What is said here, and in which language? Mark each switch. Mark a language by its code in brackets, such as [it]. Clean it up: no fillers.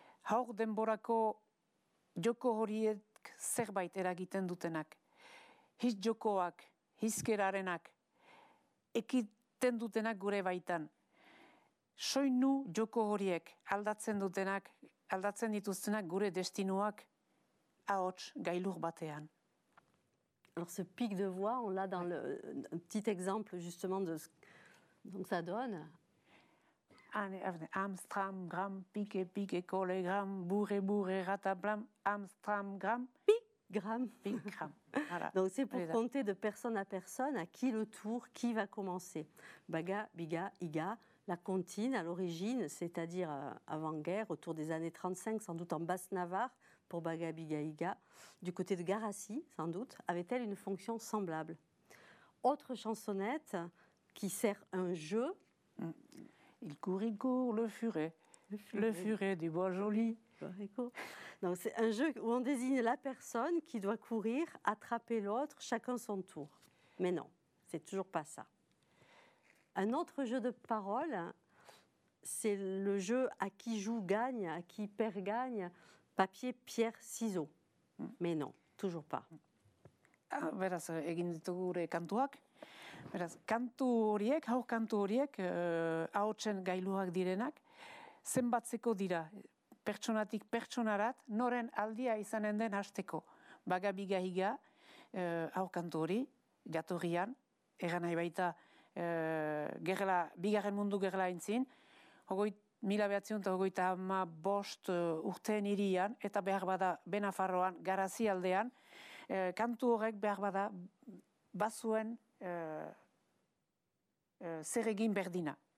[eu] Haur denborako joko horiek zerbait eragiten dutenak. Hiz jokoak, hizkerarenak, ekiten dutenak gure baitan. Soinu joko horiek aldatzen dutenak, aldatzen dituztenak gure destinoak ahots gailur batean. [fr] Alors ce pic de voix, on l'a dans le un petit exemple justement de ce... donc ça donne Amstram gram pique pique colle gram bourré bourré rataplam Amstram gram pique gram pique gram. Voilà. Donc c'est pour Allez, compter de personne à personne à qui le tour, qui va commencer. Baga, biga, iga, la comptine à l'origine, c'est-à-dire avant-guerre, autour des années 35, sans doute en Basse-Navarre, pour Baga, biga, iga, du côté de Garassi, sans doute, avait-elle une fonction semblable ? Autre chansonnette qui sert un jeu. Il court, le furet du bois joli. Donc c'est un jeu où on désigne la personne qui doit courir, attraper l'autre, chacun son tour. Mais non, c'est toujours pas ça. Un autre jeu de parole, c'est le jeu à qui joue gagne, à qui perd gagne, papier, pierre, ciseaux. Mais non, toujours pas. [eu] Beraz, egin ditugu gure kantuak. Beraz, kantu horiek, hau kantu horiek, ahotsen gailuak direnak, zenbatzeko dira, pertsonatik pertsonarat, noren aldia izanen den hasteko. Baga, biga, higa, hau kantu hori, jatorrian, egan nahi baita, gerla, bigarren mundu gerla intzin, hogeita bost urtean irian, eta behar bada Benafarroan, Garazi aldean, kantu horrek behar bada bazuen zer egin berdina.